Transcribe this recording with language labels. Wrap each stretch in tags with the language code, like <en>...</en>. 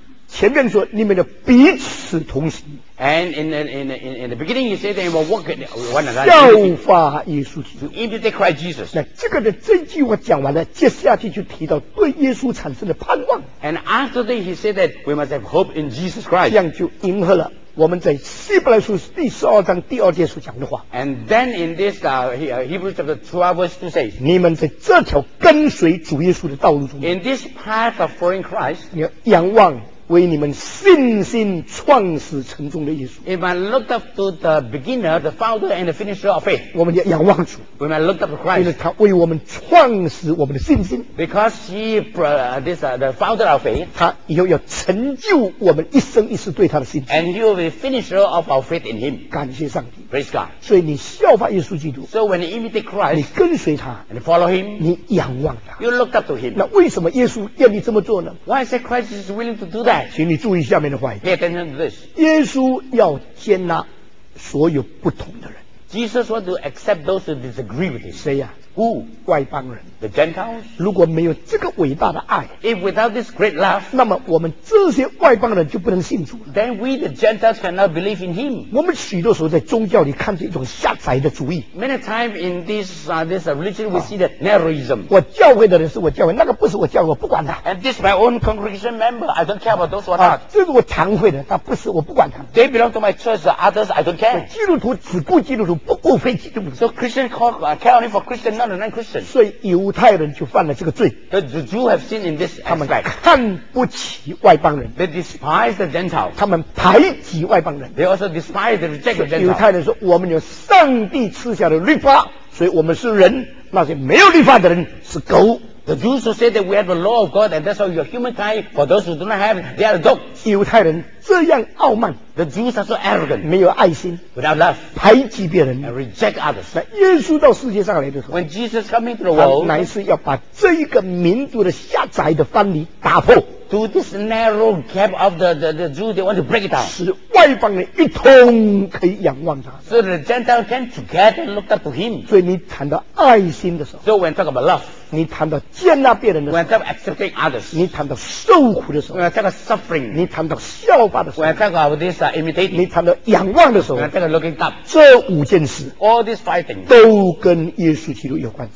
<zh>前面说你们的彼此同行。</zh> <en>And in the beginning you say that you will walk one another.</en> <zh>效法耶稣基督。</zh> <en>To imitate Christ Jesus。</en> <zh>那这个的这句话讲完了，接下去就提到对耶稣产生的盼望。</zh> <en>And after that he said that we must have hope in Jesus Christ。</en> <zh>这样就迎合了。我们在希伯来书第十二章第二节所讲的话</zh> <en>And then in this Hebrews chapter 12 verse 2 says</en> <zh>你们在这条跟随主耶稣的道路中</zh> <en>In this path of following Christ</en> <zh>你要仰望为你们信心创始成终的意思。</zh> <en>We must look up to the beginner, the founder, and the finisher of faith.</en> <zh>我们要仰望主。</zh> <en>We must look up to Christ.</en> <zh>因为他为我们创始我们的信心。</zh> <en>Because he this the founder of faith.</en> <zh>他以后要成就我们一生一世对他的信心。</zh> <en>And he will be finisher of our faith in him.</en> <zh>感谢上帝。</zh> <en>Praise God.</en> <zh>所以你效法耶稣基督。</zh> <en>So when you imitate Christ,</en> <zh>你跟随他。</zh> <en>And follow him.</en> <zh>你仰望他。</zh> <en>You look up to him.</en> <zh>那为什么耶稣愿意这么做呢？</zh> <en>Why is Christ willing to do that?</en> <zh>请你注意下面的话语。</zh> <en>Pay attention to this.</en> <zh>耶稣要接纳所有不同的人。</zh> <en>Jesus wants to accept those who disagree with him.</en> <zh>谁呀、</zh> <en>啊？Who?</en> <zh>外邦人。</zh> <en>The Gentiles.</en> <zh>如果没有这个伟大的爱</zh> <en>，If without this great love,</en> <zh>那么我们这些外邦人就不能信主了。</zh> <en>Then we the Gentiles cannot believe in him.</en> <zh>我们许多时候在宗教里看见一种狭窄的主义。</zh> <en>Many times in this this religion we see the narrowism.</en> <zh>我教会的人是我教会，那个不是我教会，我不管他。</zh> <en>And this is my own congregation member. I don't care about those who are not.</en> <zh>这是我堂会的，他不是，我不管他。</zh> <en>They belong to my church. Others I don't care.</en> <zh>基督徒只顾基督徒，不顾非基督徒。</zh> <en>So Christian care only for Christian, not non Christian.</en> <zh>所以犹太人就犯了这个罪。</zh> <en>The Jews have sinned in this aspect.</en> <zh>他们看不起外邦人。</zh> <en>They despise the Gentiles.</en> <zh>他们排挤外邦人。</zh> <en>They also despise the reject the Gentiles.</en> <zh>犹太人说，我们有上帝赐下的律法，所以我们是人。那些没有律法的人是狗。</zh> <en>The Jews who say that we have the law of God and that's all your humankind. For those who do not have, they are dogs.</en> <zh>犹太人这样傲慢。</zh> <en>The Jews are so arrogant.</en> <zh>没有爱心。</zh> <en>Without love.</en> <zh>排挤别人。</zh> <en>And reject others.</en> <zh>那耶稣到世界上来的时候。</zh> <en>When Jesus coming to the world.</en> <zh>他乃是要把这一个民族的狭窄的藩篱打破。</zh> <en>To this narrow gap of the Jews, they want to break it down.</en> <zh>使外邦人一同可以仰望他。</zh> <en>So the Gentiles can together look up to him.</en> <zh>所以你谈到爱心的时候。</zh> <en>So when talk about love.</en> <zh>你谈到接纳别人的时候。</zh> <en>When talk about accepting others.</en> <zh>你谈到受苦的时候。</zh> <en>When talk about suffering.</en> <zh>你谈到效法的时候。</zh> <en>When talk about this imitating.</en> <zh>你谈到仰望的时候。</zh> <en>When talk about looking up.</en> <zh>这五件事。</zh> <en>All these five things.</en> <zh>都跟耶稣基督有关。</zh>